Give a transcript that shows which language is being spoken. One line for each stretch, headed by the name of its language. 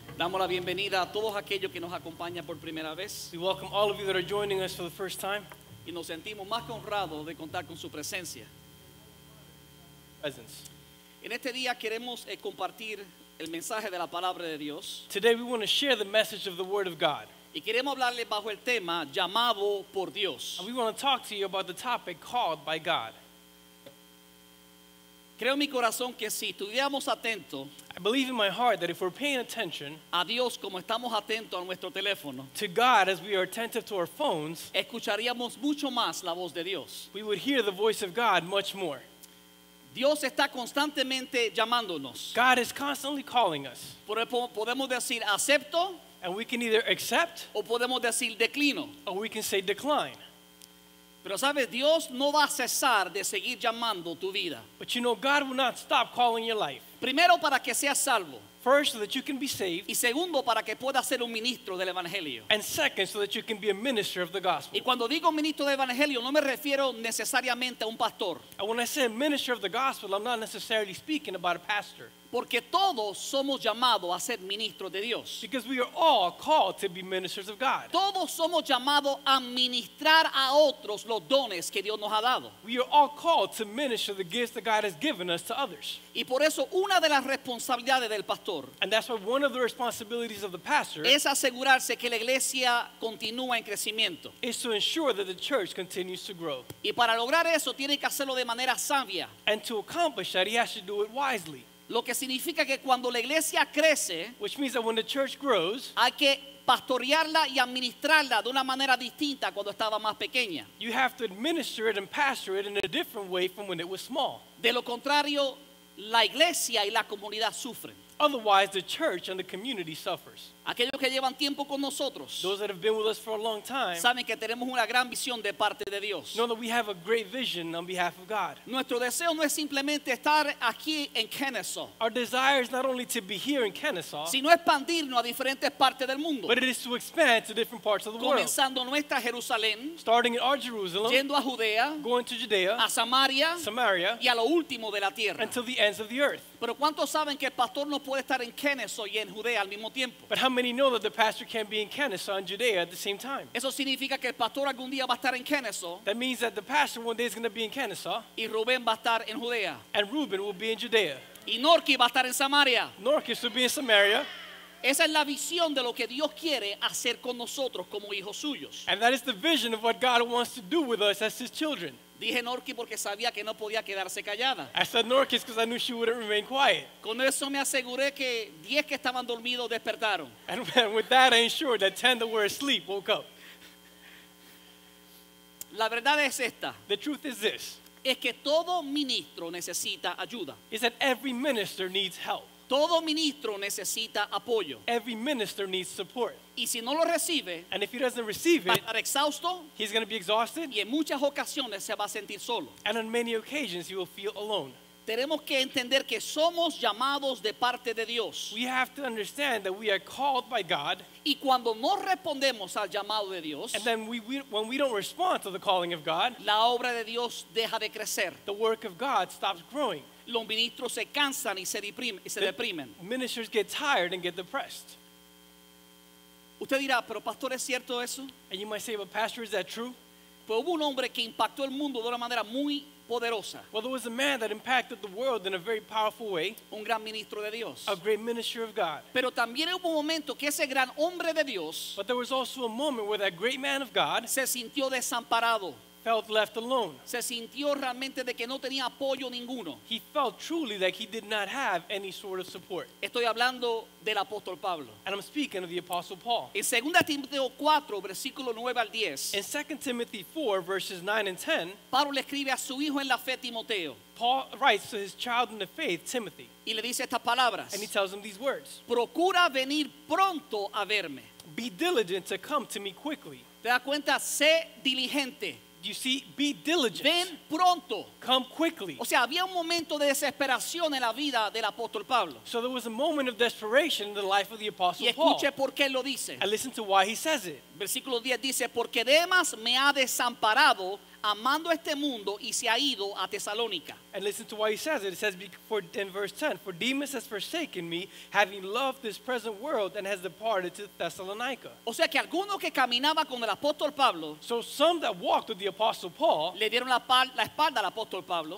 Spanish: Damos la bienvenida a todos aquellos que nos acompañan por primera vez.
English: We welcome all of you that are joining us for the first time.
Spanish: Y nos sentimos más que honrados de contar con su presencia.
English: Presence.
Spanish: En este día queremos compartir el mensaje de la palabra de Dios.
English: Today we want to share the message of the Word of God.
Spanish: Y queremos hablarles bajo el tema llamado por Dios.
English: And we want to talk to you about the topic called by God.
Spanish: Creo en mi corazón que si estuviéramos atentos,
English: I believe in my heart that if we're paying attention,
Spanish: a Dios como estamos atentos a nuestro teléfono,
English: to God as we are attentive to our phones,
Spanish: escucharíamos mucho más la voz de Dios.
English: We would hear the voice of God much more.
Spanish: Dios está constantemente llamándonos.
English: God is constantly calling us.
Spanish: Podemos decir acepto,
English: and we can either accept,
Spanish: o podemos decir declino,
English: or we can say decline.
Spanish: Pero sabes, Dios no va a cesar de seguir llamando tu vida.
English: But you know, God will not stop calling your life.
Spanish: Primero, para que seas salvo.
English: First, so that you can be saved.
Spanish: Y segundo, para que puedas ser un ministro del evangelio.
English: And second, so that you can be a minister of the gospel.
Spanish: Y cuando digo ministro del evangelio, no me refiero necesariamente a un pastor.
English: And when I say minister of the gospel, I'm not necessarily speaking about a pastor.
Spanish: Porque todos somos llamados a ser ministros de Dios.
English: Because we are all called to be ministers of God.
Spanish: Todos somos llamados a ministrar a otros los dones que Dios nos ha dado.
English: We are all called to minister the gifts that God has given us to others.
Spanish: Y por eso una de las responsabilidades del pastor,
English: and that's why one of the responsibilities of the pastor,
Spanish: es asegurarse que la iglesia continúa en crecimiento,
English: is to ensure that the church continues to grow.
Spanish: Y para lograr eso tiene que hacerlo de manera sabia.
English: And to accomplish that, he has to do it wisely.
Spanish: Lo que significa que cuando la iglesia crece,
English: which means that when the church grows,
Spanish: hay que pastorearla y administrarla de una manera distinta cuando estaba más pequeña.
English: You have to administer it and pastor it in a different way from when it was small.
Spanish: De lo contrario, la iglesia y la comunidad sufren.
English: Otherwise, the church and the community suffers.
Spanish: Aquellos que llevan tiempo con nosotros,
English: those that have been with us for a long time,
Spanish: saben que tenemos una gran visión de parte de Dios.
English: Know that we have a great vision on behalf of God.
Spanish: Nuestro deseo no es simplemente estar aquí en Kennesaw.
English: Our desire is not only to be here in Kennesaw,
Spanish: sino expandirnos a diferentes partes del mundo.
English: But it is to expand to different parts of the
Spanish: comenzando
English: world.
Spanish: Comenzando nuestra Jerusalén,
English: starting in our Jerusalem,
Spanish: yendo a Judea,
English: going to Judea,
Spanish: a Samaria,
English: Samaria,
Spanish: y a lo último de la tierra,
English: until the ends of the earth.
Spanish: Pero ¿cuántos saben que el pastor no puede estar en Kennesaw y en Judea al mismo tiempo?
English: But how many know that the pastor can't be in Kennesaw and Judea at the same time?
Spanish: Eso significa que el pastor algún día va a estar en Kennesaw.
English: That means that the pastor one day is going to be in Kennesaw.
Spanish: Y Rubén va a estar en Judea.
English: And Reuben will be in Judea.
Spanish: Y Norky va a estar en Samaria.
English: Norkis will be in Samaria.
Spanish: Esa es la visión de lo que Dios quiere hacer con nosotros como hijos suyos.
English: And that is the vision of what God wants to do with us as his children.
Spanish: Dije Norky porque sabía que no podía quedarse callada.
English: I said Norky because I knew she wouldn't remain quiet.
Spanish: Con eso me aseguré que 10 que estaban dormidos despertaron.
English: And with that I ensured that 10 that were asleep woke up.
Spanish: La verdad es esta.
English: The truth is this.
Spanish: Es que todo ministro necesita ayuda.
English: Is that every minister needs help.
Spanish: Todo ministro necesita apoyo.
English: Every minister needs support.
Spanish: Y si no lo recibe,
English: and if he doesn't receive it,
Spanish: va a estar exhausto,
English: he's going to be exhausted,
Spanish: y en muchas ocasiones se va a sentir solo.
English: And on many occasions he will feel alone.
Spanish: Tenemos que entender que somos llamados de parte de Dios.
English: We have to understand that we are called by God.
Spanish: Y cuando no respondemos al llamado de Dios,
English: and then when we don't respond to the calling of God,
Spanish: la obra de Dios deja de crecer.
English: The work of God stops growing.
Spanish: Los ministros se cansan y se deprimen.
English: Ministers get tired and get depressed.
Spanish: Usted dirá, pero pastor, ¿es cierto eso?
English: And you might say, but pastor, is that true?
Spanish: Pues hubo un hombre que impactó el mundo de una manera muy poderosa.
English: Well, there was a man that impacted the world in a very powerful way.
Spanish: Un gran ministro de Dios.
English: A great minister of God.
Spanish: Pero también hubo un momento que ese gran hombre de Dios.
English: But there was also a moment where that great man of God.
Spanish: Se sintió desamparado.
English: Felt left alone.
Spanish: Se sintió realmente de que no tenía apoyo ninguno.
English: He felt truly like he did not have any sort of support.
Spanish: Estoy hablando del apóstol Pablo.
English: And I'm speaking of the apostle Paul.
Spanish: En 2 Timoteo 4, versículo 9 al 10.
English: In 2 Timothy 4, verses 9 and 10.
Spanish: Pablo le escribe a su hijo en la fe, Timoteo.
English: Paul writes to his child in the faith, Timothy.
Spanish: Y le dice estas palabras.
English: And he tells him these words.
Spanish: Procura venir pronto a verme.
English: Be diligent to come to me quickly.
Spanish: Te das cuenta, sé diligente.
English: You see, be diligent.
Spanish: Ven pronto.
English: Come quickly.
Spanish: O sea, había un momento de desesperación en la vida del apóstol Pablo.
English: So there was a moment of desperation in the life of the apostle Paul.
Spanish: Y escuche por qué lo dice.
English: And listen to why he says it.
Spanish: Versículo 10 dice, porque Demas me ha desamparado amando este mundo y se ha ido a Tesalónica.
English: And listen to why he says it. It says in verse 10, for Demas has forsaken me, having loved this present world, and has departed to Thessalonica.
Spanish: O sea que alguno que caminaba con el apóstol Pablo.
English: So some that walked with the apostle Paul.
Spanish: Le dieron la espalda al apóstol Pablo.